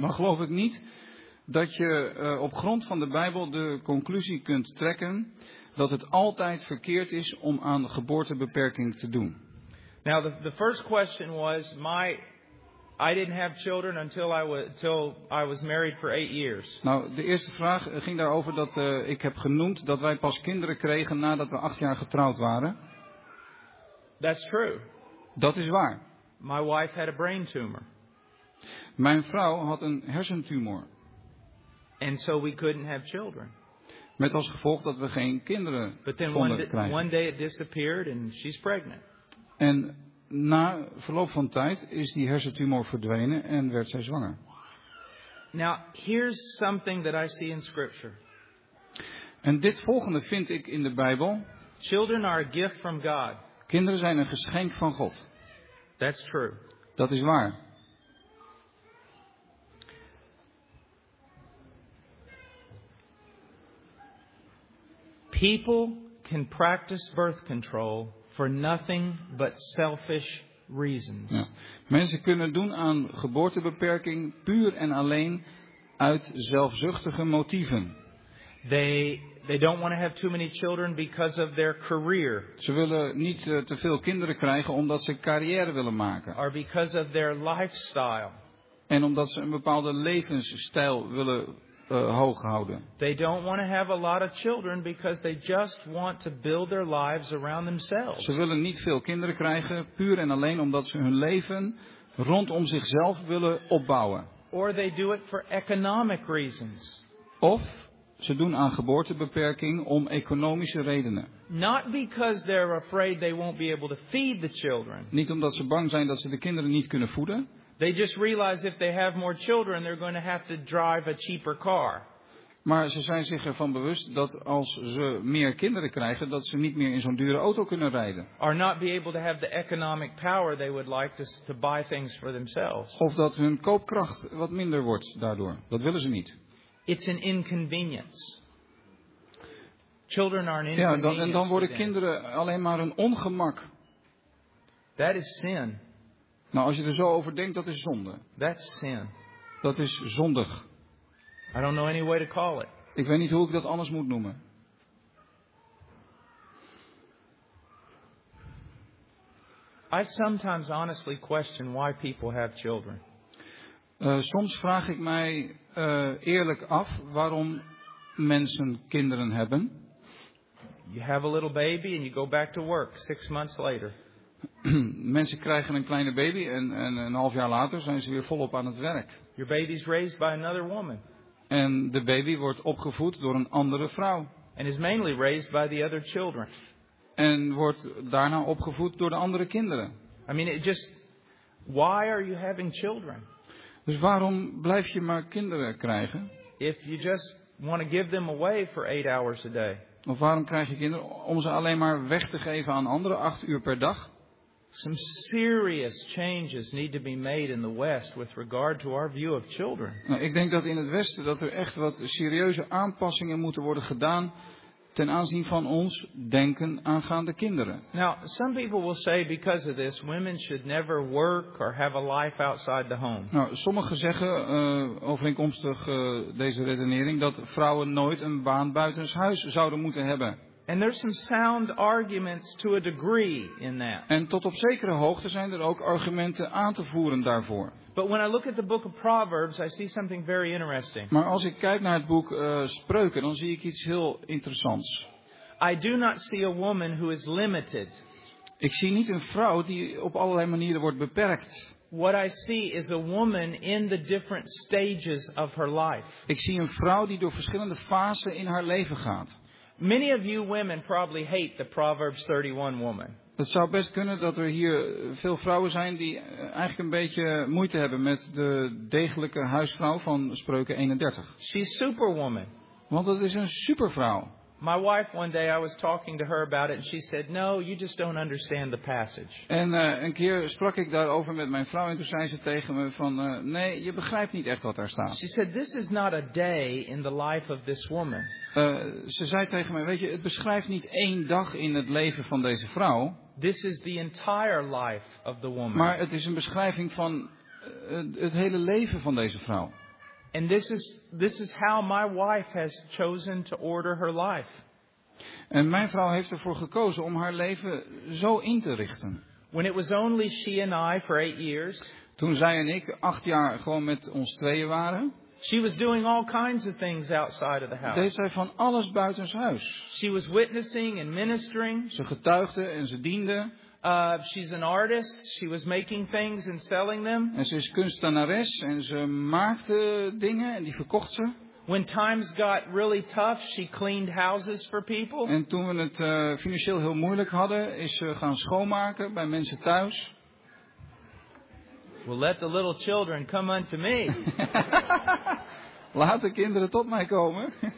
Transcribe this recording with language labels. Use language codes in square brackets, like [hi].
[nl] Ja, maar geloof ik niet dat je op grond van de Bijbel de conclusie kunt trekken dat het altijd verkeerd is om aan geboortebeperking te doen. [en] Now the first question was I didn't have children until I was married for 8 years. [nl] Nou, de eerste vraag ging daarover dat ik heb genoemd dat wij pas kinderen kregen nadat we 8 jaar getrouwd waren. [en] That's true. [nl] Dat is waar. [en] My wife had a brain tumor. [nl] Mijn vrouw had een hersentumor. [en] And so we couldn't have children. [nl] Met als gevolg dat we geen kinderen konden krijgen. [en] But then one day it disappeared and she's pregnant. [nl] En na verloop van tijd is die hersentumor verdwenen en werd zij zwanger. [en] Now, here's something that I see in scripture. [nl] En dit volgende vind ik in de Bijbel. [en] Children are a gift from God. [nl] Kinderen zijn een geschenk van God. [en] That's true. [nl] Dat is waar. [en] People can practice birth control for nothing but selfish reasons. [nl] Ja. Mensen kunnen doen aan geboortebeperking puur en alleen uit zelfzuchtige motieven. [en] They don't want to have too many children because of their career. [nl] Ze willen niet te veel kinderen krijgen omdat ze carrière willen maken. [en] Or because of their lifestyle. [nl] En omdat ze een bepaalde levensstijl willen hoog houden. [en] They don't want to have a lot of children because they just want to build their lives around themselves. [nl] Ze willen niet veel kinderen krijgen, puur en alleen omdat ze hun leven rondom zichzelf willen opbouwen. [en] Or they do it for economic reasons. [nl] Of ze doen aan geboortebeperking om economische redenen. [en] Not because they're afraid they won't be able to feed the children. [nl] Niet omdat ze bang zijn dat ze de kinderen niet kunnen voeden. [en] They just realize if they have more children, they're going to have to drive a cheaper car. [nl] Maar ze zijn zich ervan bewust dat als ze meer kinderen krijgen, dat ze niet meer in zo'n dure auto kunnen rijden. [en] Or not be able to have the economic power they would like to buy things for themselves. [nl] Of dat hun koopkracht wat minder wordt daardoor. Dat willen ze niet. [en] It's an inconvenience. Children are an inconvenience. [nl] Ja, dan worden kinderen alleen maar een ongemak. [en] That is sin. [nl] Nou, als je er zo over denkt, dat is zonde. [en] That's sin. [nl] Dat is zondig. [en] I don't know any way to call it. [nl] Ik weet niet hoe ik dat anders moet noemen. [en] I sometimes honestly question why people have children. [nl] Soms vraag ik mij eerlijk af waarom mensen kinderen hebben. [en] You have a little baby and you go back to work 6 months later. [nl] Mensen krijgen een kleine baby en een half jaar later zijn ze weer volop aan het werk. [en] Your baby's raised by another woman. [nl] En de baby wordt opgevoed door een andere vrouw. [en] And is mainly raised by the other children. [nl] En wordt daarna opgevoed door de andere kinderen. [en] I mean, why are you having children? [nl] Dus waarom blijf je maar kinderen krijgen? [en] If you just want to give them away for 8 hours a day. [nl] Of waarom krijg je kinderen om ze alleen maar weg te geven aan anderen 8 uur per dag? [en] Some serious changes need to be made in the West with regard to our view of children. [nl] Nou, ik denk dat in het Westen dat er echt wat serieuze aanpassingen moeten worden gedaan ten aanzien van ons denken aangaande kinderen. [en] Now, some people will say because of this, women should never work or have a life outside the home. [nl] Nou, sommigen zeggen overeenkomstig deze redenering dat vrouwen nooit een baan buitenshuis zouden moeten hebben. [en] And there's some sound arguments to a degree in that. [nl] En tot op zekere hoogte zijn er ook argumenten aan te voeren daarvoor. [en] But when I look at the book of Proverbs, I see something very interesting. [nl] Maar als ik kijk naar het boek Spreuken, dan zie ik iets heel interessants. [en] I do not see a woman who is limited. [nl] Ik zie niet een vrouw die op allerlei manieren wordt beperkt. [en] What I see is a woman in the different stages of her life. [nl] Ik zie een vrouw die door verschillende fasen in haar leven gaat. [en] Many of you women probably hate the Proverbs 31 woman. [nl] Het zou best kunnen dat er hier veel vrouwen zijn die eigenlijk een beetje moeite hebben met de degelijke huisvrouw van Spreuken 31. [en] She's superwoman. [nl] Want het is een supervrouw. [en] My wife one day I was talking to her about it and she said, "No, you just don't understand the passage." [nl] En een keer sprak ik daarover met mijn vrouw en toen zei ze tegen me van nee, je begrijpt niet echt wat daar staat. [en] She said, "This is not a day in the life of this woman." [nl] Ze zei tegen mij, weet je, het beschrijft niet één dag in het leven van deze vrouw. [en] This is the entire life of the woman. [nl] Maar het is een beschrijving van het hele leven van deze vrouw. [en] And this is how my wife has chosen to order her life. [nl] En mijn vrouw heeft ervoor gekozen om haar leven zo in te richten. [en] When it was only she and I for 8 years. [nl] Toen zij en ik 8 jaar gewoon met ons tweeën waren. [en] She was doing all kinds of things outside of the house. [nl] Deed zij van alles buitenshuis. [en] She was witnessing and ministering. [nl] Ze getuigde en ze diende. [en] She's an artist. She was making things and selling them. [nl] En ze is kunstenares en ze maakte dingen en die verkocht ze. [en] When times got really tough, she cleaned houses for people. [nl] En toen we het financieel heel moeilijk hadden, is ze gaan schoonmaken bij mensen thuis. [en] Well, let the little children come unto me. [nl] Laat de kinderen tot mij komen.